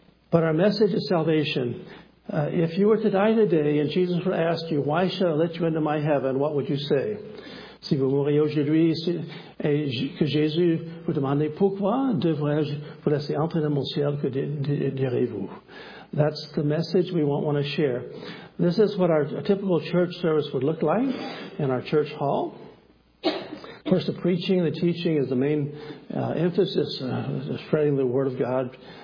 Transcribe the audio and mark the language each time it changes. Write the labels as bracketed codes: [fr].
[en] But our message is salvation. If you were to die today and Jesus were to ask you, why should I let you into my heaven, what would you say? [fr] Si vous mourriez aujourd'hui, que Jésus vous demandait pourquoi devrais-je vous laisser entrer dans mon ciel, que direz-vous? [en] That's the message we want to share. This is what a typical church service would look like in our church hall. Of course, the preaching, the teaching is the main emphasis, spreading the word of God.